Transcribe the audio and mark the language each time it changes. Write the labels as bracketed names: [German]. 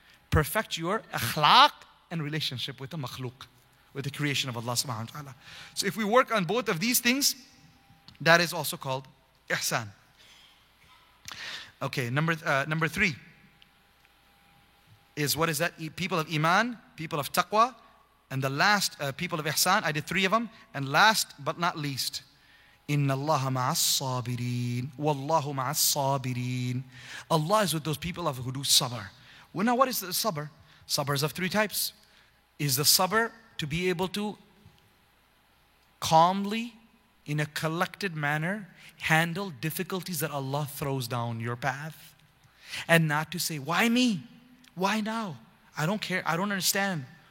[English] Perfect your akhlaq and relationship with the makhluq, with the creation of Allah subhanahu wa ta'ala. So if we work on both of these things, that is also called ihsan. Okay, number three is, what is that? People of iman, people of taqwa, and the last people of ihsan. I did three of them. And last but not least, [Arabic] إِنَّ اللَّهَ مَعَ الصَّابِرِينَ وَاللَّهُ مَعَ الصَّابِرِينَ. [English] Allah is with those people of who do sabr. Well, now what is the sabr? Sabr is of three types. Is the sabr to be able to calmly, in a collected manner, handle difficulties that Allah throws down your path, and not to say, why me? Why now? I don't care. I don't understand.